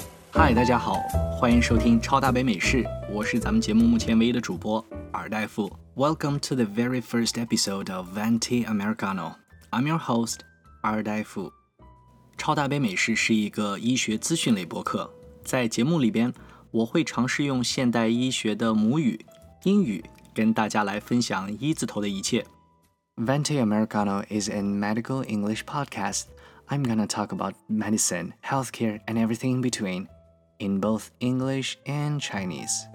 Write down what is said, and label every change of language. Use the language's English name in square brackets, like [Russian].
[Chinese] 嗨，大家好，欢迎收听超大北美事，我是咱们节目目前唯一的主播尔大夫。 [English] Welcome to the very first episode of Venti Americano. I'm your host, 尔大夫。 [Chinese] 超大北美事是一个医学资讯类播客，在节目里边，我会尝试用现代医学的母语英语跟大家来分享一字头的一切。 [English] Venti Americano is a medical English podcast. I'm gonna talk about medicine, healthcare, and everything in between, in both English and Chinese.